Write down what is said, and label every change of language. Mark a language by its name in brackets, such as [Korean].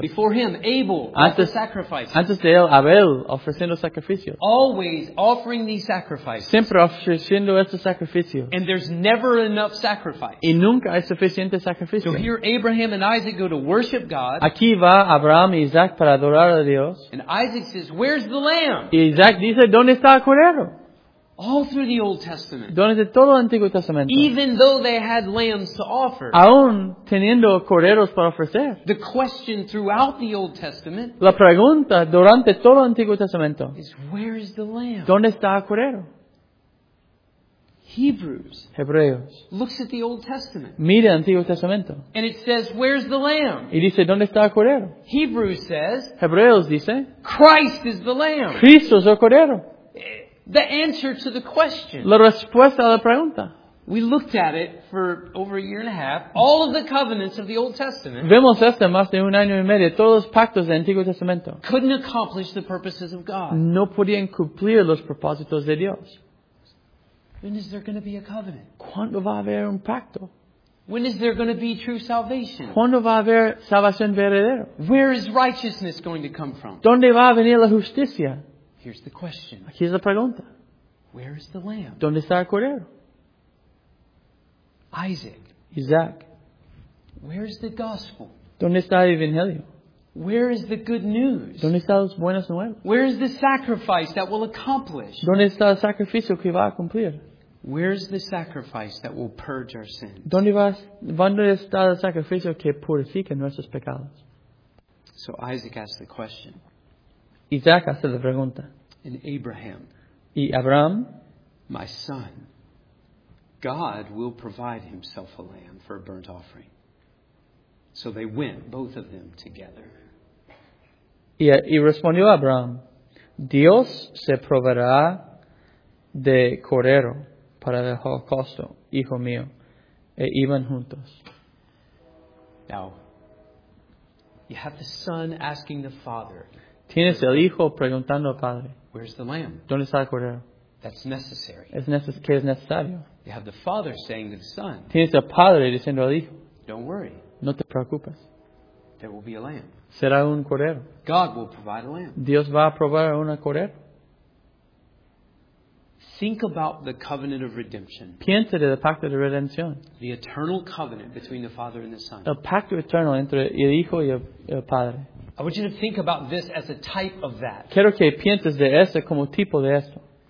[English] Before him, Abel offered sacrifices. [Spanish] Antes de él, Abel ofreciendo sacrificios. [English] Always offering these sacrifices. [Spanish] Siempre ofreciendo estos sacrificios. [English] And there's never enough sacrifice. [Spanish] Y nunca hay suficiente sacrificio. [English] So here Abraham and Isaac go to worship God. [Spanish] Aquí va Abraham y Isaac para adorar a Dios. [English] And Isaac says, "Where's the lamb?" [Spanish] Y Isaac dice, "¿Dónde está el cordero?" [English] All through the Old Testament. [Spanish] Durante todo el Antiguo Testamento. [English] Even though they had lambs to offer. [Spanish] Aún teniendo corderos para ofrecer. [English] The question throughout the Old Testament. [Spanish] La pregunta durante todo el Antiguo Testamento. [English] Is where is the lamb? [Spanish] ¿Dónde está el cordero? [English] Hebrews. [Spanish] Hebreos. [English] Looks at the Old Testament. [Spanish] Mira el Antiguo Testamento. [English] And it says, where's the lamb? [Spanish] Y dice, ¿dónde está el cordero? [English] Hebrews says. [Spanish] Hebreos dice. [English] Christ is the lamb. [Spanish] Cristo es el cordero. [English] The answer to the question. [Spanish] La respuesta a la pregunta. [English] We looked at it for over a year and a half. All of the covenants of the Old Testament. [Spanish] Vemos esto más de un año y medio. Todos los pactos del Antiguo Testamento. [English] Couldn't accomplish the purposes of God. [Spanish] No podían cumplir los propósitos de Dios. [English] When is there going to be a covenant? [Spanish] ¿Cuándo va a haber un pacto? [English] When is there going to be true salvation? [Spanish] ¿Cuándo va a haber salvación verdadera? [English] Where is righteousness going to come from? [Spanish] ¿Dónde va a venir la justicia? [English] Here's the question. [Spanish] Aquí es la pregunta. [English] Where is the lamb? [Spanish] ¿Dónde está el cordero? [English] Isaac. [Spanish] Isaac. [English] Where is the gospel? [Spanish] ¿Dónde está el evangelio? [English] Where is the good news? [Spanish] ¿Dónde están las buenas nuevas? [English] Where is the sacrifice that will accomplish? [Spanish] ¿Dónde está el sacrificio que va a cumplir? [English] Where is the sacrifice that will purge our sins? [Spanish] ¿Dónde está el sacrificio que purifica nuestros pecados? [English] So Isaac asked the question. [Spanish] Isaac hace la pregunta. [English] And Abraham. [Spanish] Y Abraham. [English] My son. God will provide himself a lamb for a burnt offering. So they went, both of them, together. [Spanish] Y respondió Abraham. Dios se proveerá de cordero para el holocausto, hijo mío. E iban juntos. [English] Now, you have the son asking the father. [Spanish] Tienes el hijo preguntando al padre. [English] Where's the lamb? [Spanish] ¿Dónde está el cordero? [English] That's necessary. [Spanish] ¿Qué es necesario? [English] You have the father saying to the son. [Spanish] Tienes el padre diciendo al hijo. [English] Don't worry. [Spanish] No te preocupes. [English] There will be a lamb. [Spanish] Será un cordero. [English] God will provide a lamb. [Spanish] Dios va a proveer un cordero. [English] Think about the covenant of redemption. [Spanish] Piensa en el pacto de redención. [English] The eternal covenant between the father and the son. [Spanish] El pacto eterno entre el hijo y el padre. [English] I want you to think about this as a type of that. [Spanish] Quiero que pienses de esto como tipo de esto.